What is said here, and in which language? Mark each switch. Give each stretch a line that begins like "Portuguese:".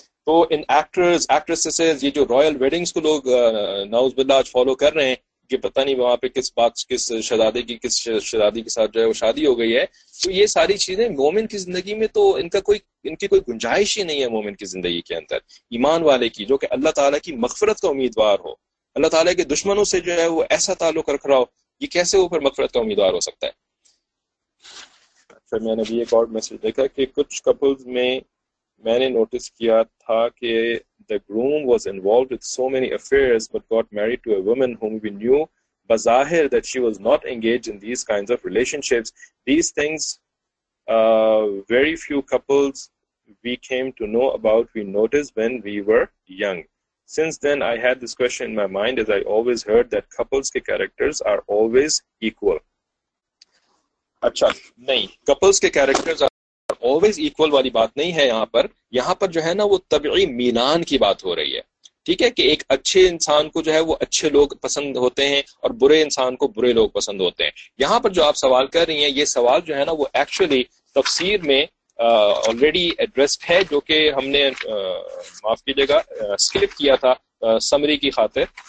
Urdu: تو ان actors actresses, یہ جو رائل ویڈنگز کو لوگ نعوذ باللہ آج فالو کر رہے ہیں, کہ پتہ نہیں وہاں پہ کس بات, کس شہزادے کی, کس شہزادی کے ساتھ جو ہے وہ شادی ہو گئی ہے, تو یہ ساری چیزیں مومن کی زندگی میں تو ان کی کوئی گنجائش ہی نہیں ہے مومن کی زندگی کے اندر, ایمان والے کی, جو کہ اللہ تعالیٰ کی مغفرت کا امیدوار ہو, اللہ تعالیٰ کے دشمنوں سے جو ہے وہ ایسا تعلق رکھ رہا ہو, یہ کیسے وہ پھر مغفرت کا امیدوار ہو سکتا ہے. پھر میں نے بھی ایک اور میسج دیکھا کہ کچھ کپلز میں میں نے نوٹس کیا تھا کہ
English: the groom was involved with so many affairs but got married to a woman whom we knew bazaahir that she was not engaged in these kinds of relationships. These things very few couples we came to know about, we noticed when we were young. Since then I had this question in my mind, as I always heard that couples ke characters are always equal.
Urdu: Acha nahi, couples ke characters
English: always equal
Urdu: والی بات نہیں ہے یہاں پر. یہاں پر جو ہے نا وہ طبعی میلان کی بات ہو رہی ہے, ٹھیک ہے, کہ ایک اچھے انسان کو جو ہے وہ اچھے لوگ پسند ہوتے ہیں اور برے انسان کو برے لوگ پسند ہوتے ہیں. یہاں پر جو آپ سوال کر رہی ہیں, یہ سوال جو ہے نا وہ ایکچولی تفسیر میں آلریڈی ایڈریسڈ ہے, جو کہ ہم نے معاف کیجیے گا اسکپ کیا تھا سمری کی خاطر.